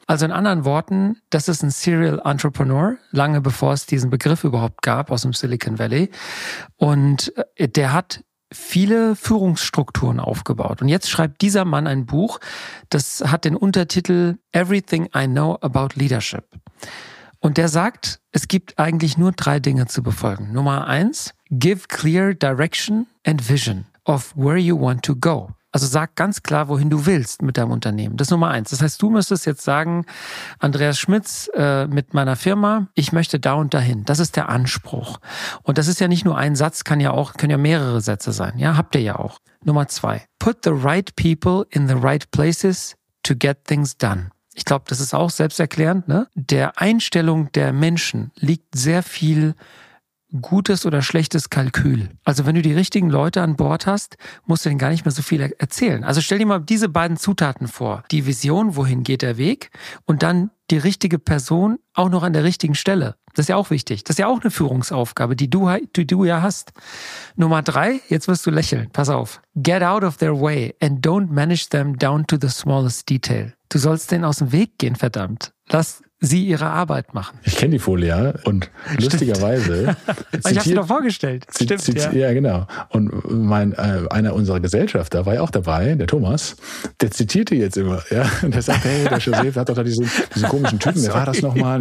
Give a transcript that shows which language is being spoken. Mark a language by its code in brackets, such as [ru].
[de] Also in anderen Worten, das ist ein Serial Entrepreneur, lange bevor es diesen Begriff überhaupt gab aus dem Silicon Valley. Und der hat viele Führungsstrukturen aufgebaut. Und jetzt schreibt dieser Mann ein Buch, das hat den Untertitel [en] Everything I Know About Leadership. [de] Und der sagt, es gibt eigentlich nur 3 Dinge zu befolgen. Nummer 1, [en] give clear direction and vision of where you want to go. [de] Also sag ganz klar, wohin du willst mit deinem Unternehmen. Das ist Nummer 1. Das heißt, du müsstest jetzt sagen, Andreas Schmitz mit meiner Firma, ich möchte da und dahin. Das ist der Anspruch. Und das ist ja nicht nur ein Satz, können ja mehrere Sätze sein. Ja, habt ihr ja auch. Nummer 2, [en] put the right people in the right places to get things done. [de] Ich glaube, das ist auch selbsterklärend, ne? Der Einstellung der Menschen liegt sehr viel gutes oder schlechtes Kalkül. Also wenn du die richtigen Leute an Bord hast, musst du denen gar nicht mehr so viel erzählen. Also stell dir mal diese beiden Zutaten vor. Die Vision, wohin geht der Weg? Und dann die richtige Person auch noch an der richtigen Stelle. Das ist ja auch wichtig. Das ist ja auch eine Führungsaufgabe, die du ja hast. Nummer 3, jetzt wirst du lächeln. Pass auf. [en] Get out of their way and don't manage them down to the smallest detail. [de] Du sollst denen aus dem Weg gehen, verdammt. Lass sie ihre Arbeit machen. Ich kenne die Folie, ja, und stimmt. Lustigerweise. Zitiert, ich habe sie doch vorgestellt. Stimmt, ja. Ja, genau. Und einer unserer Gesellschafter war ja auch dabei, der Thomas, der zitiert die jetzt immer. Ja, und der sagt, hey, der Joseph hat doch da diesen komischen Typen, wer war das nochmal?